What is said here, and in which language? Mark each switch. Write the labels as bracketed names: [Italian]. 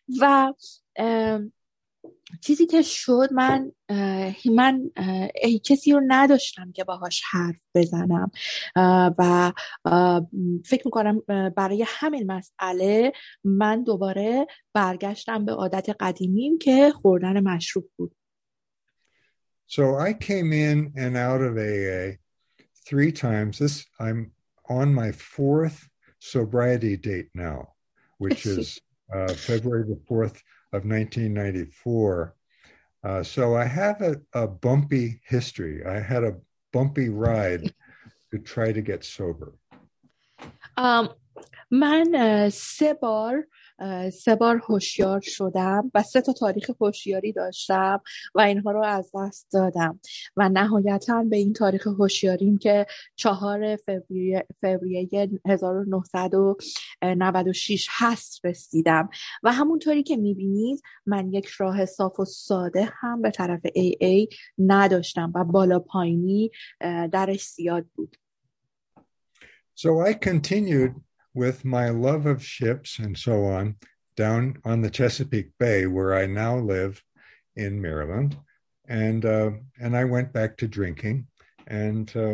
[Persian] و چیزی که شد من کسی رو نداشتم که باهاش حرف بزنم و فکر میکنم برای همین مسئله من دوباره برگشتم به عادت قدیمیم که خوردن مشروب بود. [English] So I came in and out of AA three times. This I'm on my fourth sobriety date now, which is February the 4th of 1994. So I have a bumpy history. I had a bumpy ride to try to get sober. [Persian] من سه بار هوشیار شدم و سه تا تاریخ هوشیاری داشتم و اینها رو از دست دادم و نهایتاً به این تاریخ هوشیاریم که 4 فوریه 1996 هست رسیدم و همونطوری که میبینید من یک راه صاف و ساده هم به طرف AA نداشتم و بالا پایینی درش زیاد بود. [English] So I continued with my love of ships and so on, down on the Chesapeake Bay, where I now live in Maryland. And I went back to drinking. And